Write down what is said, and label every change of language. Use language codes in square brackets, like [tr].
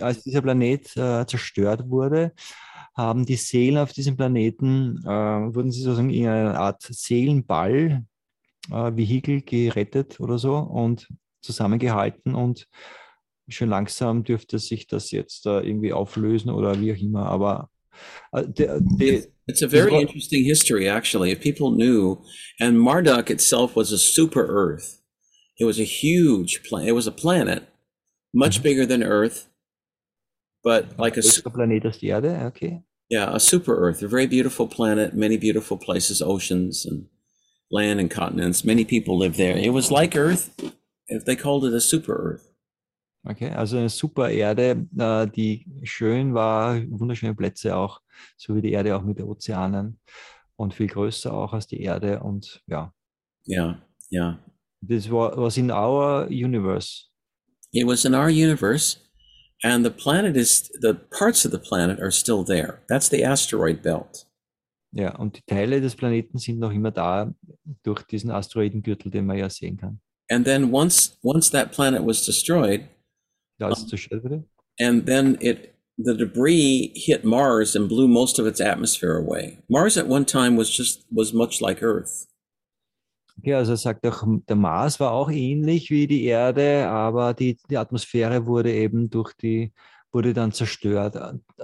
[de] Als dieser Planet zerstört wurde, haben die Seelen auf diesem Planeten, wurden sie sozusagen in einer Art Seelenball, Vehikel gerettet oder so und zusammengehalten, und schon langsam dürfte sich das jetzt irgendwie auflösen oder wie auch immer, aber [en] It's a very interesting history, actually, if people knew. And Marduk itself was a super Earth. It was a huge planet. It was a planet, much mm-hmm. bigger than Earth, but like a planet [de] als die Erde, okay. [en] Yeah, a super Earth, a very beautiful planet, many beautiful places, oceans and land and continents. Many people live there. It was like Earth, if they called it a super Earth. [de] Okay, also eine super Erde, die schön war, wunderschöne Plätze auch, so wie die Erde auch mit den Ozeanen und viel größer auch als die Erde und ja. Ja, ja. [en] This was in our universe. It was in our universe, and the planet is, the parts of the planet are still there. That's the asteroid belt. [de] Ja, und die Teile des Planeten sind noch immer da durch diesen Asteroidengürtel, den man ja sehen kann. [en] And then once that planet was destroyed, and then the debris hit Mars and blew most of its atmosphere away. Mars at one time was much like Earth. [de] Okay, also sagt doch, der Mars war auch ähnlich wie die Erde, aber die Atmosphäre wurde eben wurde dann zerstört.